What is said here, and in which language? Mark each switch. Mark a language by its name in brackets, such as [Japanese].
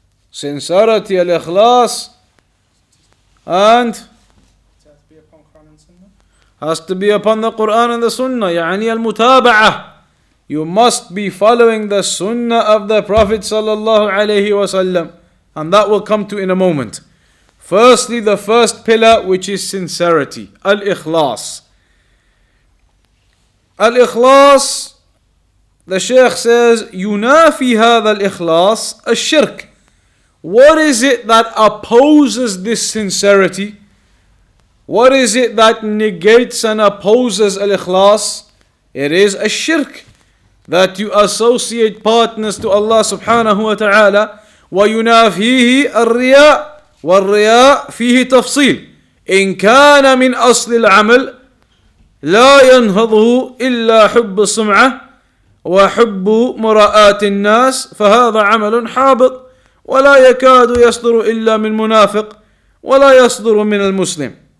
[English] Sincerity, al-ikhlas, and has to be upon the Quran and the Sunnah. [Arabic] يعني المتابعة. [English] You must be following the Sunnah of the Prophet sallallahu alayhi wasallam, and that will come to in a moment. Firstly, the first pillar, which is sincerity, al-ikhlas. Al-ikhlas, the Shaykh says, [Arabic] ينافي هذا الإخلاص الشرك. [English] What is it that opposes this sincerity? What is it that negates and opposes al-ikhlas? It is a shirk, that you associate partners to Allah subhanahu wa ta'ala. [Arabic] وَيُنَافِيهِ الرِّيَاءِ وَالرِّيَاءِ فِيهِ تَفْصِيلِ إِنْ كَانَ مِنْ أَصْلِ الْعَمَلِ لَا يَنْهَضُهُ إِلَّا حُبُّ السُّمْعَةِ وَحُبُّ مُرَآتِ النَّاسِ فَهَذَا عَمَلٌ حَابِطٌ ولا يكاد يصدر إلا من منافق ولا يصدر من المسلم.